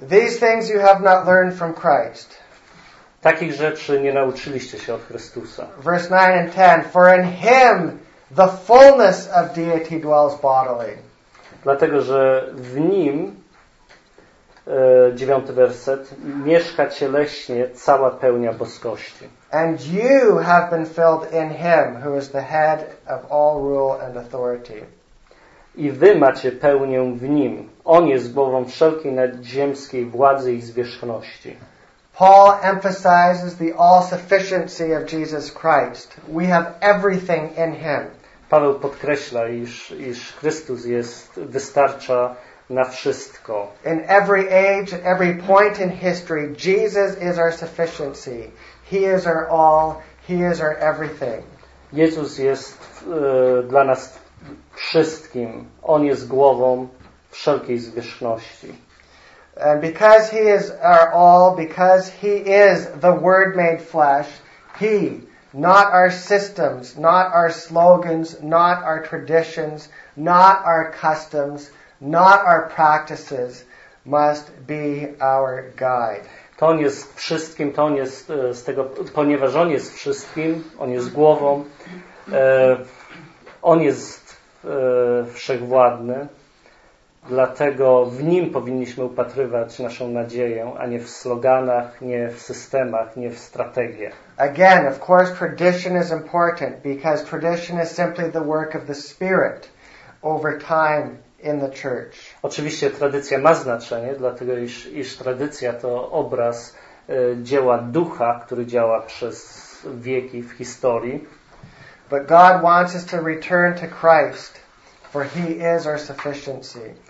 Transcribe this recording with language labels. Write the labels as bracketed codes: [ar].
[en] These things you have not learned from Christ. [pl] Takich rzeczy nie nauczyliście się od Chrystusa. [en] Verse 9 and 10. For in him the fullness of deity dwells bodily. [pl] Dlatego, że w nim, 9 werset, mieszka cieleśnie cała pełnia boskości. [en] And you have been filled in him who is the head of all rule and authority. [pl] I wy macie pełnię w nim. On jest głową wszelkiej nadziemskiej władzy i zwierzchności. [en] Paul emphasizes the all-sufficiency of Jesus Christ. We have everything in him. [pl] Paweł podkreśla, iż Chrystus jest wystarcza na wszystko. [en] In every age, at every point in history, Jesus is our sufficiency. He is our all, He is our everything. [pl] Jezus jest dla nas wszystkim. On jest głową wszelkiej zwierzchności. [en] And because He is our all, because He is the Word made flesh, He, not our systems, not our slogans, not our traditions, not our customs, not our practices, must be our guide. [pl] To On jest wszystkim, to On jest z tego, ponieważ On jest wszystkim, On jest głową, On jest wszechwładny, dlatego w Nim powinniśmy upatrywać naszą nadzieję, a nie w sloganach, nie w systemach, nie w strategiach. [en] Again, of course, tradition is important because tradition is simply the work of the Spirit over time in the church. [pl] Oczywiście tradycja ma znaczenie, dlatego iż tradycja to obraz dzieła Ducha, który działa przez wieki w historii. [en] But God wants us to return to Christ, for He is our sufficiency.